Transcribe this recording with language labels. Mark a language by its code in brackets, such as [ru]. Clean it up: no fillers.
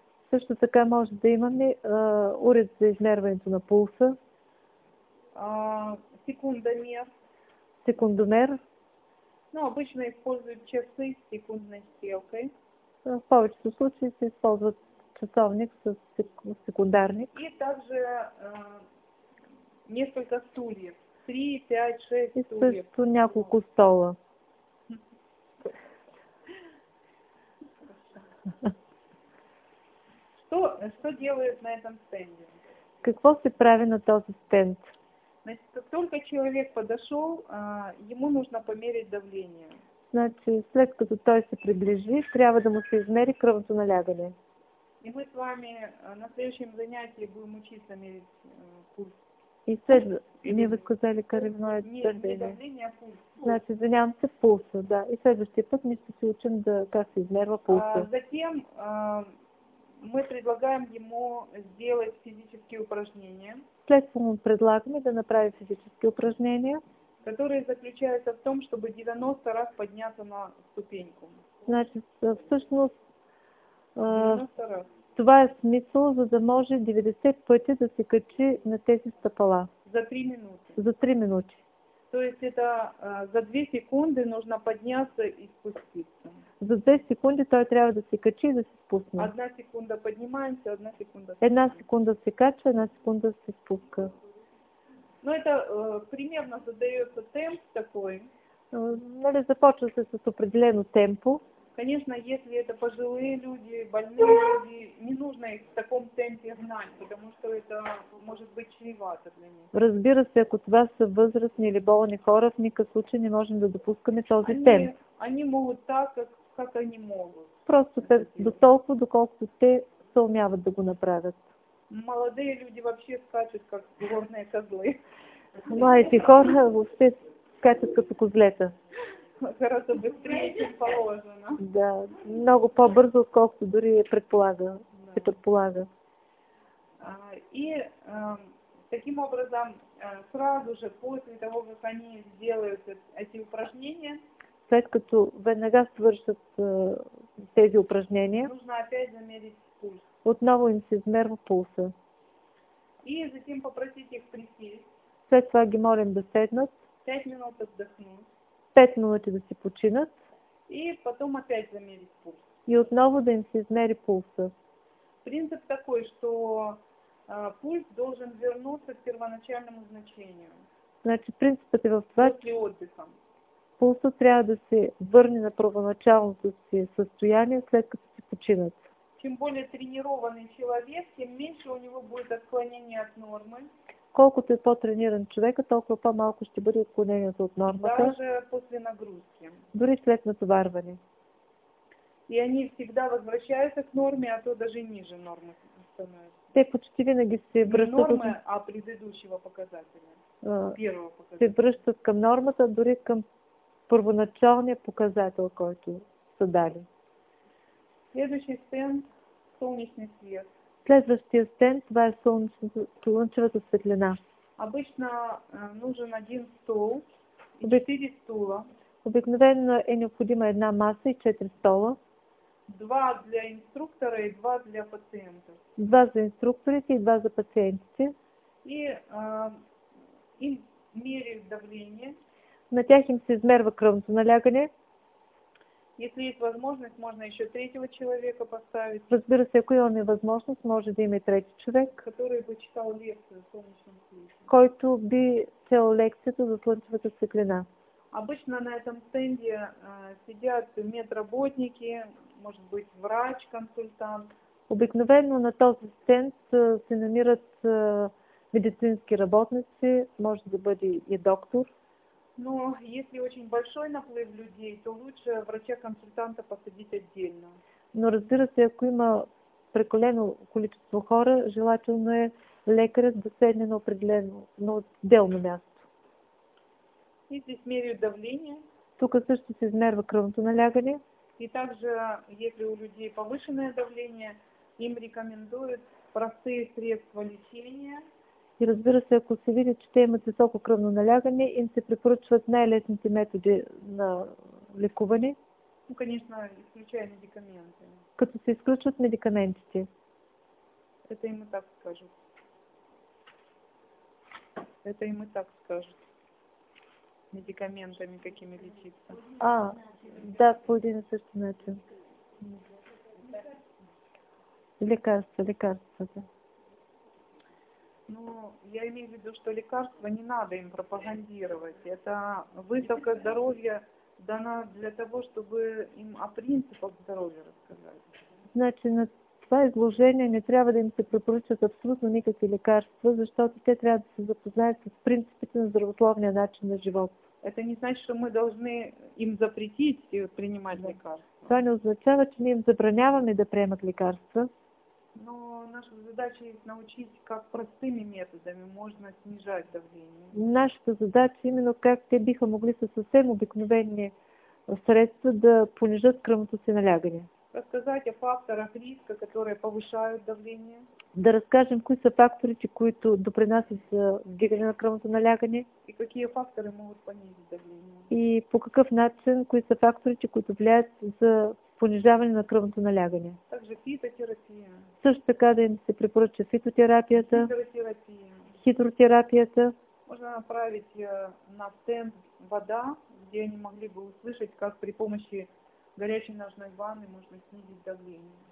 [bg] Също така може да имаме уред за измерването на пулса. [ru] Секундомер. [bg] Секундомер. [ru] Ну, обычно используют часы с секундной стрелкой. [bg] В повечето случаи се използват часовник с секундарник. [ru] И также несколько стульев. 3, 5, 6 стульев. [bg] И също няколко стола. [ru] Что делают на этом стенде? [bg] Какво се прави на този стенд? [ru] Значит, как только человек подошел, ему нужно померить давление. [bg] Значит, след като той се приближи, трябва да му се измери кръвното налягане. [ru] И мы с вами на следующем занятии будем учиться мерить пульс. И след... Мне вы сказали кръвное давление. Не давление, а пульс. Значит, занимаемся пулса, да. [bg] И следующий път ми ще се учим да как се измерва пулса. [ru] Затем... Мы предлагаем ему сделать физические упражнения. [bg] След това му предлагаме да направи физически упражнения. [ru] Которые заключаются в том, чтобы 90 раз подняться на ступеньку. [bg] Значит, всъщност, [ru] 90 раз. [bg] Това е смисъл, за да може 90 пъти да се качи на тези стъпала. За 3 минути. За 3 минути. [ru] То есть это за 2 секунды нужно подняться и спуститься. [bg] За 2 секунды той трябва да се качи и да се спусне. [ru] 1 секунда поднимаемся, 1 секунда спускаем. [bg] 1 секунда се качва, 1 секунда се спуска. [ru] Ну это примерно задается темп такой. [bg] Нали, започва се с определено темпо. [ru] Конечно, если это пожилые люди, больные люди, не нужно их в таком темпе гнать, потому что это может быть чревато для них. [bg] Разбира се, ако това са възрастни или болни хора, в никакъв случай не можем да допускаме този [ru] они, [bg] темп. [ru] Они могут так, как они могут. [bg] Просто те, до толкова, доколкото те се умяват да го направят. [ru] Молодые люди вообще скачат, как горные козлы. [bg] Младите хора въобще скачат като козлета. [ru] Гораздо быстрее, чем положено. [bg] Да, много по-бързо, отколкото дори предполага, да. Се предполага. [ru] И таким образом, сразу же после того, как они сделают эти упражнения, [bg] след като веднага свършат тези упражнения, [ru] нужно опять замерить пульс. [bg] Отново им се измерва пулса. [ru] И затем попросить их присесть. [bg] След това ги молим да седнат. [ru] 5 минут отдохнуть. [bg] 5 минути да се починат. [ru] И потом опять замерить пульс. [bg] И отново да им се измери пулса. [ru] Принцип такой, что пульс должен вернуться к первоначальному значению. [bg] Значи принципът е в това, [ru] после отдыха. [bg] Пулса трябва да се върне на първоначалното си състояние, след като се починат. [ru] Чем более тренированный человек, тем меньше у него будет отклонение от нормы. [bg] Колкото е по-трениран човек, толкова по-малко ще бъде отклонението от нормата. [ru] Даже после нагрузки. [bg] Дори след натоварване. [ru] И они всегда возвращаются к норме, а то даже ниже нормы становятся. [bg] Те почти винаги се връщат... [ru] Не нормы, а предыдущего показателя. Первого показателя. [bg] Се връщат към нормата, дори към първоначалния показател, който са дали. [ru] Следующий стенд – солнечный свет. [bg] Следващия стенд – това е слънчевата светлина. [ru] Обычно нужен один стол и 4 стула. [bg] Обикновено е необходима една маса и 4 стола. [ru] 2 для инструктора и 2 для пациента. [bg] 2 за инструкторите и 2 за пациентите. [ru] И им меряют давление. [bg] На тях им се измерва кръвното налягане. [ru] Если есть возможность, можно еще третьего человека поставить. [bg] Разбира се, ако имаме възможност, може да има и третий човек. [ru] Который бы читал лекцию о солнечном свете. [bg] Който би цел лекцията за слънчевата светлина. [ru] Обычно на этом стенде сидят медработники, может быть врач, консультант. [bg] Обикновено на този стенд се намират медицински работници, може да бъде и доктор. [ru] Но если очень большой наплыв людей, то лучше врача-консультанта посадить отдельно. [bg] Но разбира се, ако има преколено количество хора, желательно е лекарят да седне на определено, но отделно място. [ru] И здесь меряют давление. [bg] Тук също се измерва кръвното налягане. [ru] И также, если у людей повышенное давление, им рекомендуют простые средства лечения. [bg] И разбира се, ако се види, че те имат високо кръвно налягане, им се препоръчват най-лесните методи на лекуване. [ru] Ну, конечно, изключая медикаменты. [bg] Като се изключват медикаментите. [ru] Это им и так скажут. Это им и так скажут. Медикаментами какими лечиться. [bg] А, да, по един и същи начин. Лекарства, лекарствата. [ru] Ну, я имею в виду, что лекарства не надо им пропагандировать. Это высока здоровья дана для того, чтобы им о принципах здоровья рассказать. [bg] Значит, на това изложение не трябва да им се препоръчат абсолютно никакви лекарства, защото те трябва да се запознаят с принципите на здравословния начин на живот. [ru] Это не значит, что мы должны им запретить и принимать лекарства. [bg] Това не означава, че ние им забраняваме да приемат лекарства. [ru] Но наша задача есть научить, как простыми методами можно снижать давление. [bg] Нашата задача именно как те биха могли со совсем обыкновенные средства да понижат кръвното си налягане. [ru] Рассказать о факторах риска, которые повышают давление. [bg] Да расскажем, кои са факторите, които допринасят за вдигане на кръвното налягане. [ru] И какие факторы могут понизить давление. [bg] И по какъв начин, кои са факторите, които влияят за понижаване на кръвното налягане. [ru] Также фитотерапия. [bg] Също така да им се препоръча фитотерапията. Хидротерапия. Хидротерапията. [ru] Можно направить на стенд вода, где они могли бы услышать, как при помощи горячей ножной ванны можно снизить давление.